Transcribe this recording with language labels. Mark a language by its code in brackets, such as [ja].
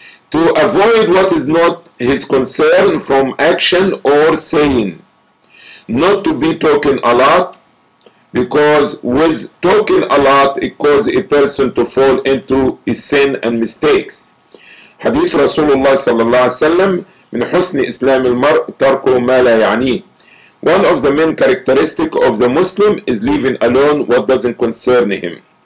[en] To avoid what is not his concern from action or saying. Not to be talking a lot, because with talking a lot, it causes a person to fall into a sin and mistakes. [ar] Hadith Rasulullah sallallahu alayhi wa sallam, من حسن إسلام المرء تركه ما لا يعني. [en] One of the main characteristics of the Muslim is leaving alone what doesn't concern him.